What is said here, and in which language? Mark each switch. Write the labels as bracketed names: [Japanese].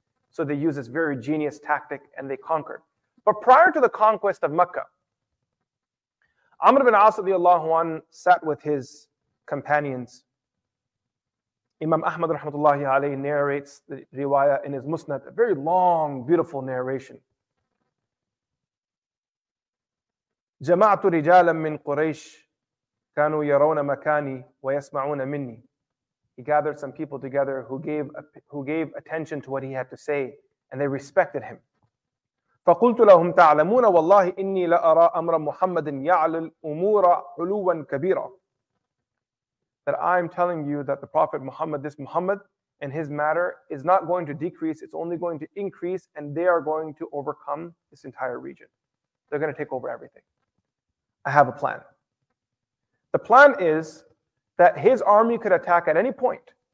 [English] So they use this very genius tactic and they conquered. But prior to the conquest of Mecca, Amr ibn As radiallahu anhu sat with his companions. Imam Ahmad rahmatullahi alayhi narrates the riwayah in his Musnad, a very long, beautiful narration. [Arabic] جمعت رجالا من قريش كانوا يرون مكاني ويسمعون مني. [English] He gathered some people together who gave attention to what he had to say, and they respected him. [Arabic] فقلت لهم تعلمون والله إني لا أرى أمر محمد يعل الأمور علوا كبيرا. [English] That I am telling you that the Prophet Muhammad, this Muhammad and his matter is not going to decrease, it's only going to increase, and they are going to overcome this entire region. They're going to take over everything. I have a plan. The plan is that his army could attack at any point.